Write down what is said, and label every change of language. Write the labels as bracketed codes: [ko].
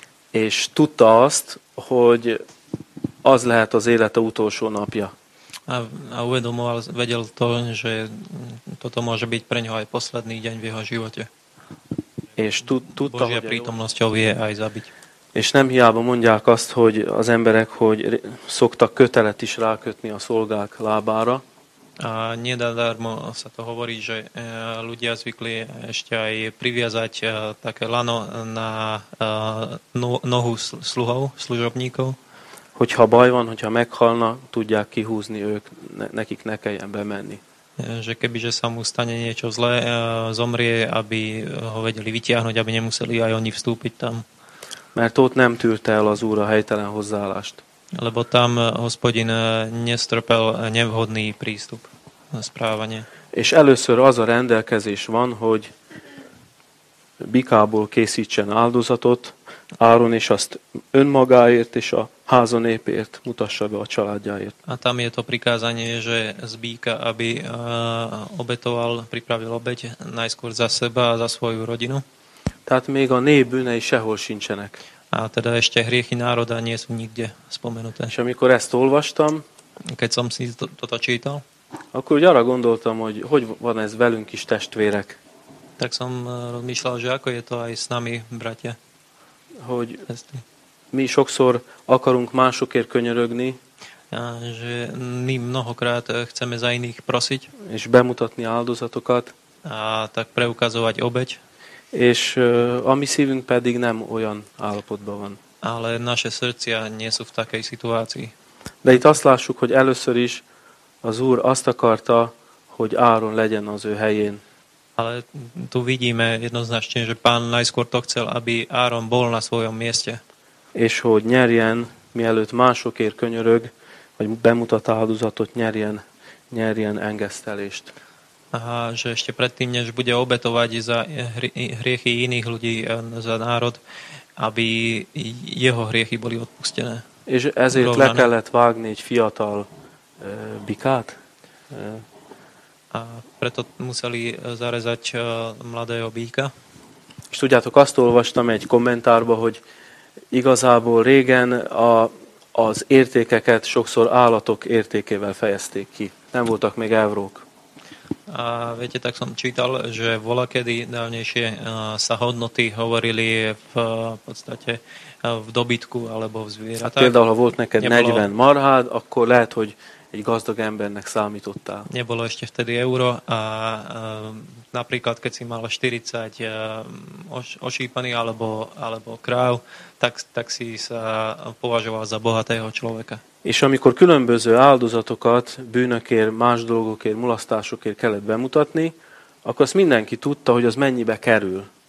[hu] És tudta azt, hogy az lehet az élete utolsó napja. [sk] A uvedomoval, vedel to, že toto môže byť pre ňoho aj posledný deň v jeho živote. [hu] És tudta, [sk] Božia prítomnosťou je aj zabiť. [hu] És nem hiába mondják azt, hogy az emberek, hogy szoktak kötelet is rákötni a szolgák lábára. [sk] A nedadarmo sa to hovorí, že ľudia zvykli ešte aj priviazať také lano na nohu sluhov, služobníkov. [hu] Hogyha baj van, hogyha meghalna, tudják kihúzni ők, nekik ne kelljen bemenni. [sk] Že kebyže sa mu stane niečo zlé, zomrie, aby ho vedeli vytiahnuť, aby nemuseli aj oni vstúpiť tam. [hu] Mert ott nem tűrte el az Úr a helytelen hozzáállást. [sk] Lebo tam Hospodin nestrpel nevhodný prístup na správanie. [hu] És először az a rendelkezés van, hogy bikából készítsen áldozatot Áron, és azt önmagáért és a házanépért mutassa be a családjáért. [sk] A tam je to prikázanie, že z bíka, aby obetoval, pripravil obeť najskôr za seba a za svoju rodinu. [hu] Tehát még a nép bűnei sehol sincsenek. [sk] A teda ešte hriechy národa nie sú nikde spomenuté. [hu] És amikor ezt olvastam, [sk] keď som si toto čítal, [hu] akkor úgy arra gondoltam, hogy hogy van ez velünk is, testvérek. [sk] Tak som rozmýšľal, že ako je to aj s nami, bratia. [hu] Hogy mi sokszor akarunk másokért könyörögni, [sk] že mi mnohokrát chceme za iných prosiť, [hu] és bemutatni áldozatokat, [sk] a tak preukazovať obeť, [hu] és a mi szívünk pedig nem olyan állapotban van. [sk] Ale naše srdcia nie sú v takej situácii. [hu] De itt azt lássuk, hogy először is az Úr azt akarta, hogy Áron legyen az ő helyén. [sk] Ale tu vidíme jednoznačne, že pán najskôr to chcel, aby Áron bol na svojom mieste. [hu] És hogy nyerjen, mielőtt másokért könyörög, vagy bemutat áldozatot, nyerjen engesztelést. [sk] Aha, že ešte predtým, než bude obetovať za hriechy iných ľudí, za národ, aby jeho hriechy boli odpustené. [hu] És ezért le kellett vágni egy fiatal bikát? [sk] A preto museli zarezať mladého bíka. [hu] És tudjátok, azt olvastam egy kommentárba, hogy igazából régen az értékeket sokszor állatok értékével fejezték ki. Nem voltak még evrók. [sk] A viete, tak som čítal, že volakedy dávnejšie sa hodnoty hovorili v podstate v dobytku alebo v zvieratách. A teda, [hu] ha volt neked 40 marhád, akkor lehet, hogy egy gazdag embernek számítottál. [sk] Nebolo ešte vtedy euro a napríklad, keď si mal 40 ošípaný alebo kráv, tak si sa považoval za bohatého človeka. [hu] És amikor különböző áldozatokat bűnökért, más dolgokért, mulasztásokért kellett bemutatni, akkor azt mindenki tudta, hogy az mennyibe kerül.